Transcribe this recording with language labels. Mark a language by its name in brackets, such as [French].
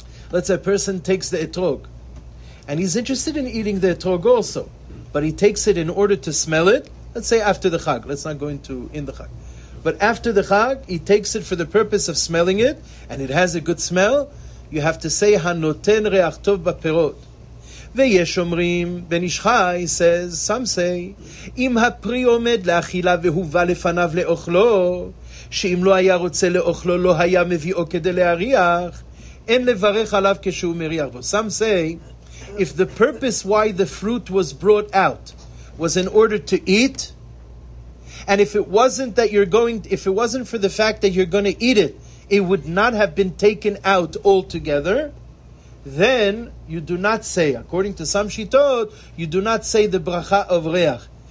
[English] Let's say a person takes the etrog, and he's interested in eating the etrog also, but he takes it in order to smell it, let's say after the chag, let's not go into in the chag. But after the chag, he takes it for the purpose of smelling it, and it has a good smell, you have to say [Hebrew] hanoten reach tov baperot. ויש אומרים, בן איש חי, [English] says, some say, [Hebrew] אם הפרי עומד לאכילה והובה לפניו לאוכלו, שאם לא היה רוצה לאוכלו, לא היה מביאו כדי להריח, אין לברך עליו כשהוא מריח בו. [English] Some say, if the purpose why the fruit was brought out was in order to eat, and if it wasn't that you're going, if it wasn't for the fact that you're going to eat it, it would not have been taken out altogether, then you do not say, according to some shitot, you do not say the bracha of reach.